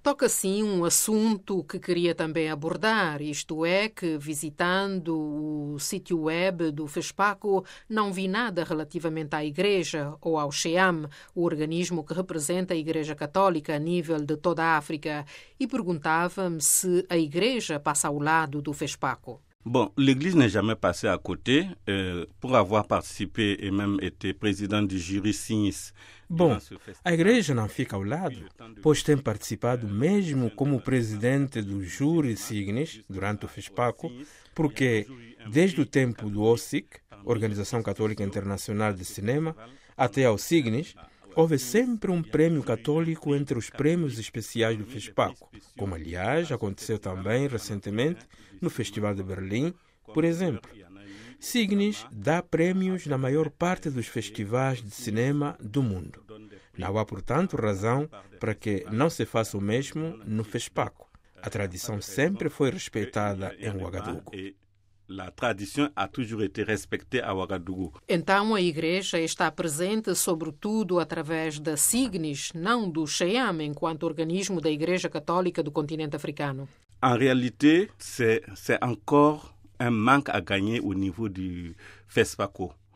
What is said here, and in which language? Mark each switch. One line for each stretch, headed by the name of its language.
Portuguese: Toca assim um assunto que queria também abordar, isto é que, visitando o sítio web do FESPACO, não vi nada relativamente à Igreja ou ao SEAM, o organismo que representa a Igreja Católica a nível de toda a África, e perguntava-me se a Igreja passa ao lado do FESPACO.
French: Bom, l'Église n'est jamais passée à côté, pour avoir participé et même été président du jury SIGNIS.
Portuguese: Bom, a Igreja não fica ao lado, pois tem participado mesmo como presidente do júri SIGNIS durante o FESPACO, porque desde o tempo do OSIC, Organização Católica Internacional de Cinema, até ao SIGNIS, houve sempre um prêmio católico entre os prêmios especiais do FESPACO, como aliás aconteceu também recentemente no Festival de Berlim, por exemplo. SIGNIS dá prêmios na maior parte dos festivais de cinema do mundo. Não há, portanto, razão para que não se faça o mesmo no FESPACO. A tradição sempre foi respeitada em Ouagadougou.
French: La tradition a toujours été respectée à Ouagadougou.
Portuguese: Então a Igreja está presente sobretudo através da SIGNIS, não do SEAM, enquanto organismo da Igreja Católica do continente africano.
French: En réalité, c'est encore un manque à gagner au niveau du FESPACO.